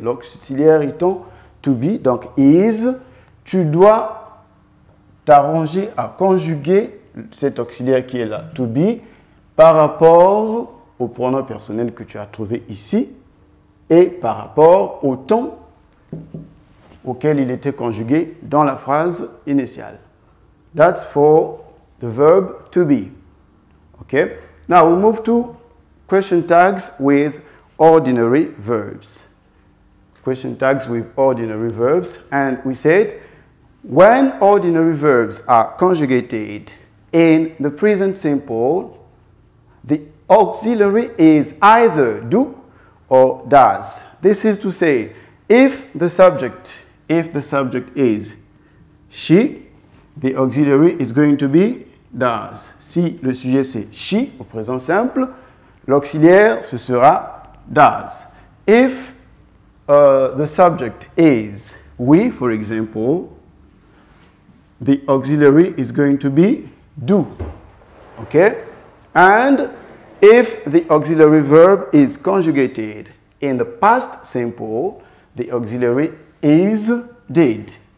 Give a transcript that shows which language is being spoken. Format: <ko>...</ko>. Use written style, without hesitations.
<fr>L'auxiliaire étant « to be », donc « is », tu dois t'arranger à conjuguer cet auxiliaire qui est là, « to be », par rapport au pronom personnel que tu as trouvé ici et par rapport au temps auquel il était conjugué dans la phrase initiale.</fr> <en>That's for the verb to be. Okay? Now we move to question tags with ordinary verbs. Question tags with ordinary verbs. And we said, when ordinary verbs are conjugated in the present simple, the auxiliary is either do or does. This is to say, if the subject is she, the auxiliary is going to be does.</en> <fr>Si le sujet c'est she au présent simple, l'auxiliaire ce sera does.</fr> <en>If the subject is we, for example, the auxiliary is going to be do. Okay? And if the auxiliary verb is conjugated in the past simple, the auxiliary is did.</en>